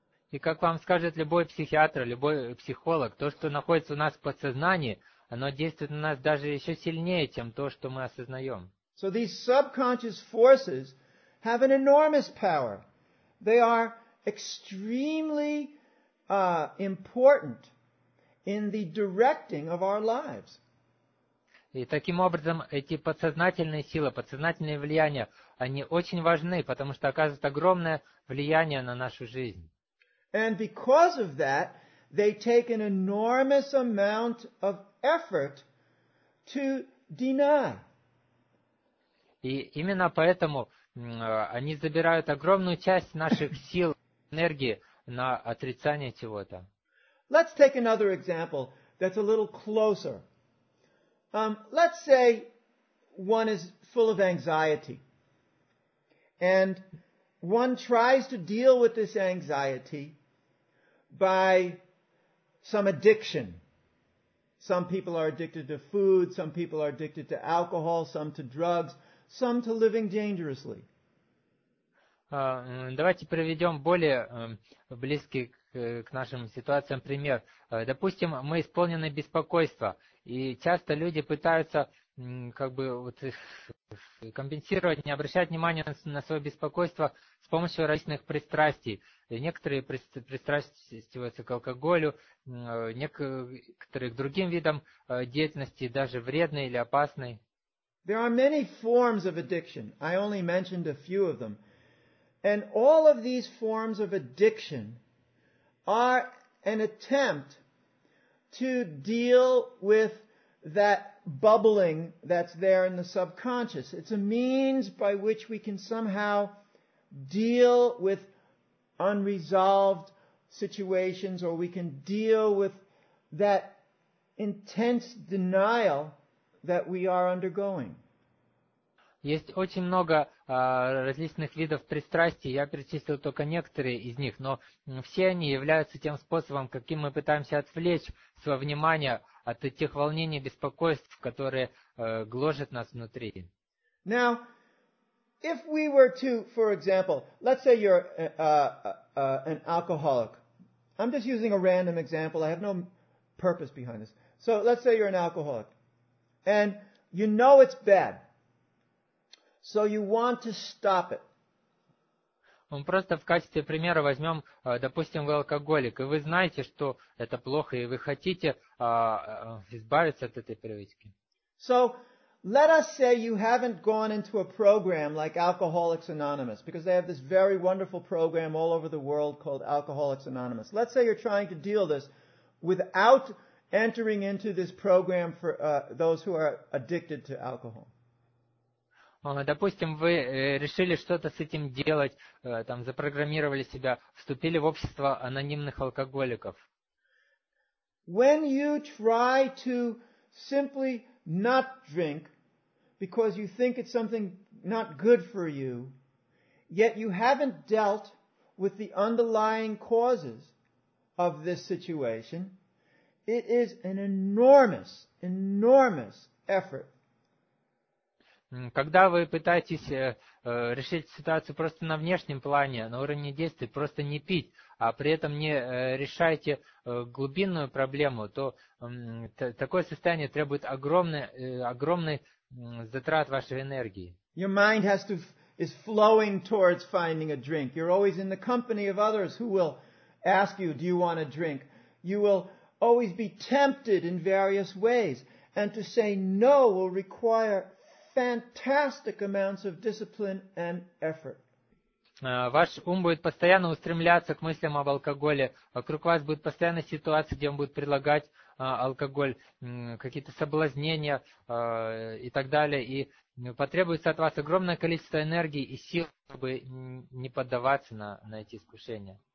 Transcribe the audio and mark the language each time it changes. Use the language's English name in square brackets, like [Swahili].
[Russian] И как вам скажет любой психиатр, любой психолог, то, что находится у нас в подсознании, оно действует на нас даже еще сильнее, чем то, что мы осознаем. [English] So these subconscious forces have an enormous power. They are extremely important in the directing of our lives. [Russian] И таким образом эти подсознательные силы, подсознательные влияния, они очень важны, потому что оказывают огромное влияние на нашу жизнь. [English] And because of that, they take an enormous amount of effort to deny. [Russian] И именно поэтому они забирают огромную часть наших сил, энергии на отрицание чего-то. [English] Let's take another example that's a little closer. Let's say one is full of anxiety. And one tries to deal with this anxiety by some addiction. Some people are addicted to food, some people are addicted to alcohol, some to drugs, some to living dangerously. [Russian] Давайте приведем более близкий к нашим ситуациям пример. Допустим, мы исполнены беспокойства, и часто люди пытаются как бы вот компенсировать, не обращать внимания на свое беспокойство с помощью различных пристрастий. Некоторые пристрастиваются к алкоголю, некоторые к другим видам деятельности, даже вредной или опасной. [English] There are many forms of addiction. I only mentioned a few of them. And all of these forms of addiction are an attempt to deal with that bubbling that's there in the subconscious. It's a means by which we can somehow deal with unresolved situations, or we can deal with that intense denial that we are undergoing. [Russian] Есть очень много различных видов пристрастий, я перечислил только некоторые из них, но все они являются тем способом, каким мы пытаемся отвлечь свое внимание от тех волнений и беспокойств, которые гложат нас внутри. [English] Now, if we were to, for example, let's say you're an alcoholic. I'm just using a random example, I have no purpose behind this. So, let's say you're an alcoholic, and you know it's bad. So you want to stop it. [Russian] Мы просто в качестве примера возьмем, допустим, вы алкоголик, и вы знаете, что это плохо, и вы хотите избавиться от этой привычки. [English] So, let us say you haven't gone into a program like Alcoholics Anonymous, because they have this very wonderful program all over the world called Alcoholics Anonymous. Let's say you're trying to deal this without entering into this program for those who are addicted to alcohol. [Russian] Допустим, вы решили что-то с этим делать, там запрограммировали себя, вступили в общество анонимных алкоголиков. [English] When you try to simply not drink because you think it's something not good for you, yet you haven't dealt with the underlying causes of this situation, it is an enormous, enormous effort. [Russian] Когда вы пытаетесь решить ситуацию просто на внешнем плане, на уровне действий, просто не пить, а при этом не решаете глубинную проблему, то такое состояние требует огромной затрат вашей энергии. [English] Your mind is flowing towards finding a drink. You're always in the company of others who will ask you, do you want a drink? You will always be tempted in various ways. And to say no will require fantastic amounts of discipline and effort. [Russian] Ваш ум будет постоянно устремляться к мыслям об алкоголе. Вокруг вас будет постоянно ситуация, где он будет предлагать алкоголь, какие-то соблазнения и так далее. И потребуется от вас огромное количество энергии и сил, чтобы не поддаваться на эти искушения.